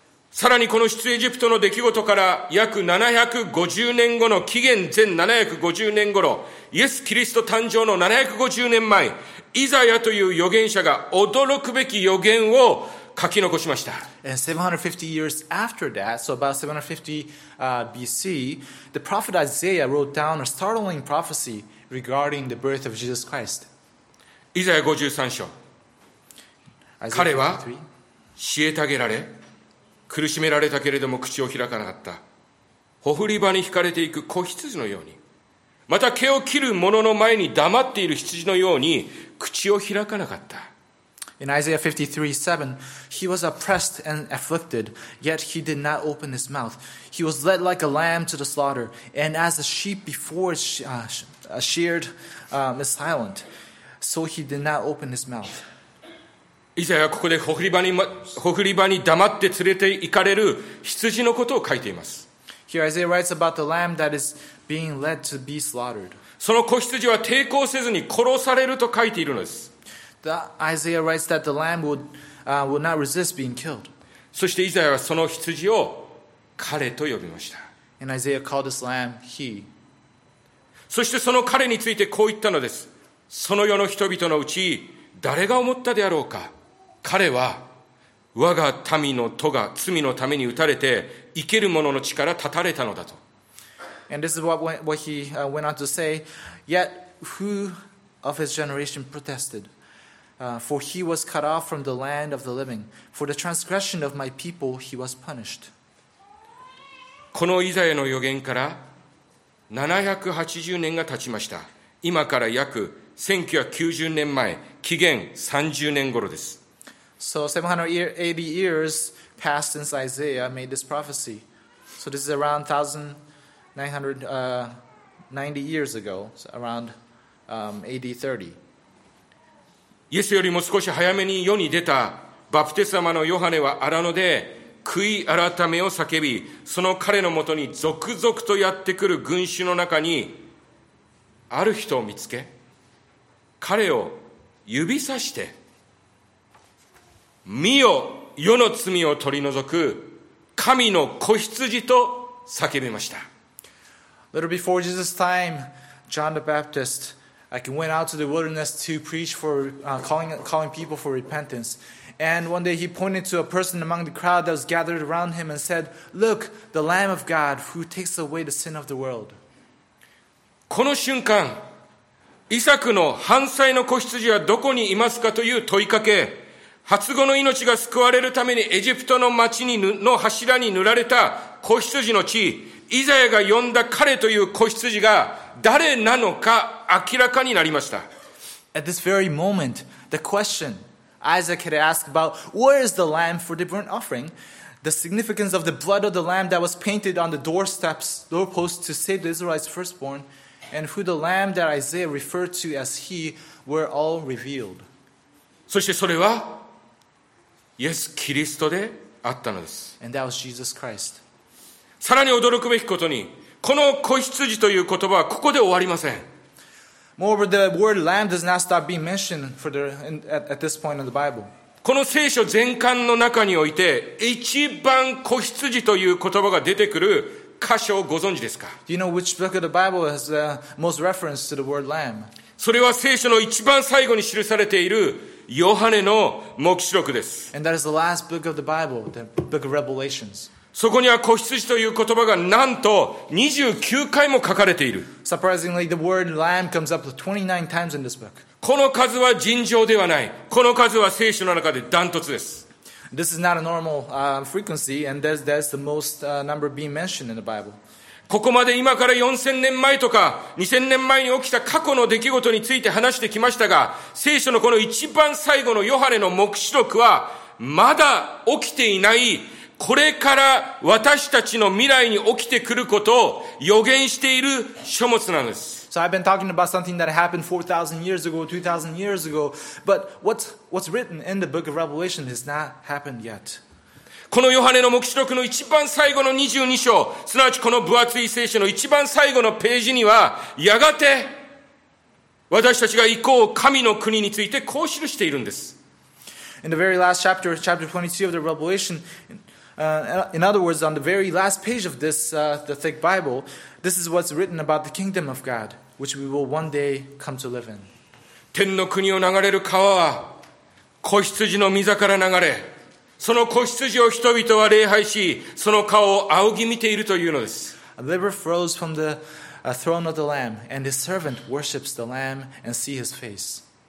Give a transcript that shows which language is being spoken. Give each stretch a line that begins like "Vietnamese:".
Japanese: さらにこの出エジプトの出来事から約750年後の紀元前750年頃、イエス・キリスト誕生の750年前、イザヤという預言者が驚くべき預言を書き残しました。
English: And 750 years after that, so about 750 BC, the prophet Isaiah wrote down a startling prophecy regarding the birth of Jesus Christ.
Japanese: イザヤ53章。彼は虐げられ、苦しめられたけれども口を開かなかった。ほふり場に引かれていく子羊のように、また毛を切る者の前に黙っている羊のように口を開かなかった。
English: In Isaiah 53:7, he was oppressed and afflicted, yet he did not open his mouth. He was led like a lamb to the slaughter, and as a sheep before its sheared is silent, so he did not open his mouth.
Japanese: イザヤはここでほふり場に黙って連れて行かれる羊のことを書いています。
English: Here Isaiah writes about the lamb that is being led to be slaughtered.
Japanese: その子羊は抵抗せずに殺されると書いているのです。
English: Isaiah writes that the lamb would not resist being killed.
Japanese: そしてイザヤはその羊を彼と呼びました。
English: And Isaiah called this lamb he.
Japanese: そしてその彼についてこう言ったのです。その世の人々のうち誰が思ったであろうか。彼は我が民の咎が罪のために打たれて生ける者の血から断たれたのだと。
English: And this is what he went on to say. Yet who of his generation protested? For he was cut off from the land of the living. For the transgression of my people, he was punished.
Japanese: このイザヤの預言から780年が経ちました。今から約1990年前、紀元30年頃です。
English: So 780 years passed since Isaiah made this prophecy. So this is around 1990 years ago, so around AD 30.
Japanese: イエスよりも少し早めに世に出たバプテスマのヨハネは荒野で悔い改めを叫び、その彼のもとに続々とやってくる群衆の中にある人を見つけ、彼を指さして、見よ、世の罪を取り除く神の子羊と叫びました。
English: Little before Jesus' time, John the Baptist, I went out to the wilderness to preach for calling people for repentance. And one day he pointed to a person among the crowd that was gathered around him and said, "Look, the Lamb of God who takes away the sin of the world."
Japanese: この瞬間、イサクの半歳の子羊はどこにいますかという問いかけ、初子の命が救われるためにエジプトの町にの柱に塗られた子羊の血、イザヤが呼んだ彼という子羊が誰なのか明らかになりました。
English: At this very moment, the question Isaac had asked about where is the lamb for the burnt offering, the significance of the blood of the lamb that was painted on the doorsteps, doorposts to save the Israelites' firstborn, and who the lamb that Isaiah referred to as he were all revealed.
Japanese: そしてそれはイエス・キリストであったのです。
English: And that was Jesus Christ.
Japanese: さらに驚くべきことに、この子羊という言葉はここで終わりません。
English: Moreover, the word lamb does not stop being mentioned for the, at this point in the Bible.
Japanese: この聖書全巻の中において、一番子羊という言葉が出てくる箇所をご存知ですか？
English: Do you know which book of the Bible has the most reference to the word lamb?
Japanese: それは聖書の一番最後に記されているヨハネの黙示録です。
English: And that is the last book of the Bible, the book of Revelations.
Japanese: そこには子羊という言葉がなんと29回も書かれている。
English: Surprisingly, the word lamb comes up 29 times in this book.
Japanese: この数は尋常ではない。この数は聖書の中でダントツです。
English: This is not a normal frequency, and that's the most number being mentioned in the Bible.
Japanese: ここまで今から4000年前とか2000年前に起きた過去の出来事について話してきましたが、聖書のこの一番最後のヨハネの黙示録はまだ起きていない。これから私たちの未来に起きてくることを予言している書物なんです。
English: So I've been talking about something that happened 4,000 years ago, 2,000 years ago, but what's written in the book of Revelation has not happened yet.
Japanese: このヨハネの黙示録の一番最後の22章、すなわちこの分厚い聖書の一番最後のページには、やがて私たちが行こう神の国についてこう記しているんです。
English: In the very last chapter, chapter 22 of the Revelation,in other words, on the very last page of this, the thick Bible, this is what's written about the kingdom of God, which we will one day come to live in.
Japanese: 天の国を流れる川は、子羊の御座から流れ、その子羊を人々は礼拝し、その川を仰ぎ見ているというのです。
English: A river flows from the throne of the Lamb, and his servant worships the Lamb and see his face.